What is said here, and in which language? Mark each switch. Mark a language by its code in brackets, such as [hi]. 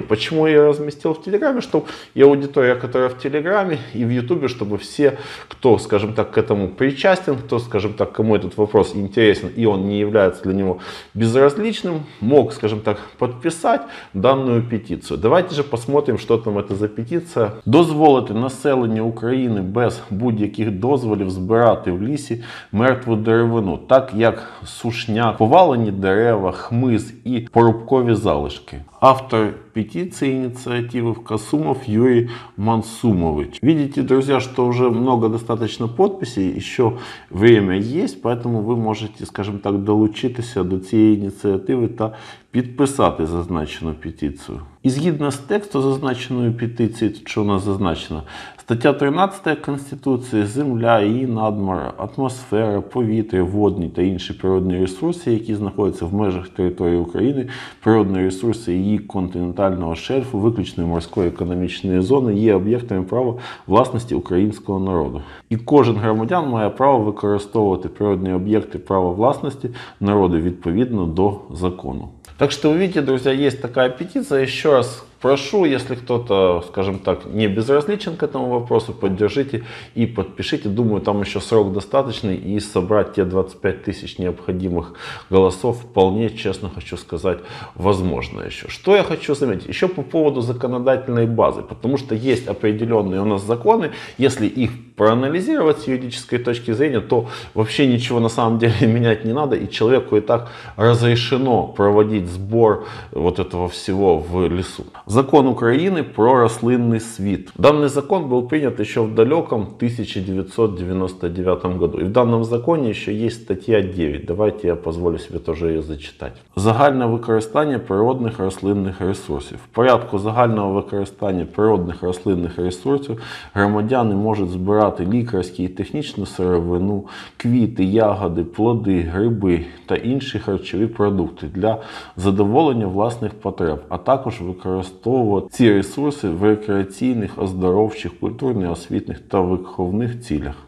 [ru] Почему я разместил в телеграме? Чтобы и аудитория, которая в телеграме, и в ютубе, чтобы все, кто, скажем так, к этому причастен, кто, скажем так, кому этот вопрос интересен, и он не является для него безразличным, мог, скажем так, подписать данную петицию. Давайте же посмотрим, что там это за петиция. [uk] Дозволити населення України без будь-яких дозволів збирати в лісі мертву деревину, так як сушняк, повалені дерева, хмиз і порубкові залишки. [ru] Автор петиции инициативы в Касумов Юрий Мансумович. Видите, друзья, что уже много достаточно подписей, еще время есть, поэтому вы можете, скажем так, [uk] долучитися до цієї ініціативи та підписати зазначену петицію. І згідно з тексту зазначеної петиції, що у нас зазначено, стаття 13 Конституції, земля, її надмір, атмосфера, повітря, водні та інші природні ресурси, які знаходяться в межах території України, природні ресурси її континентального шельфу, виключної морської економічної зони, є об'єктами права власності українського народу. І кожен громадян має право використовувати природні об'єкти права власності народу відповідно до закону. [ru] Так что вы видите, друзья, есть такая петиция. Еще раз прошу, если кто-то, скажем так, не безразличен к этому вопросу, поддержите и подпишите. Думаю, там еще срок достаточный, и собрать те 25 тысяч необходимых голосов вполне, честно хочу сказать, возможно еще. Что я хочу заметить? Еще по поводу законодательной базы. Потому что есть определенные у нас законы. Если их проанализировать с юридической точки зрения, то вообще ничего на самом деле менять не надо. И человеку и так разрешено проводить сбор вот этого всего в лесу. [uk] Закон України про рослинний світ. Даний закон був прийнятий ще в далекому 1999 році. І в даному законі ще є стаття 9. Давайте я дозволю собі теж її зачитати. Загальне використання природних рослинних ресурсів. В порядку загального використання природних рослинних ресурсів громадяни можуть збирати лікарську і технічну сировину, квіти, ягоди, плоди, гриби та інші харчові продукти для задоволення власних потреб, а також використовувати ці ресурси в рекреаційних, оздоровчих, культурних, освітніх та виховних цілях.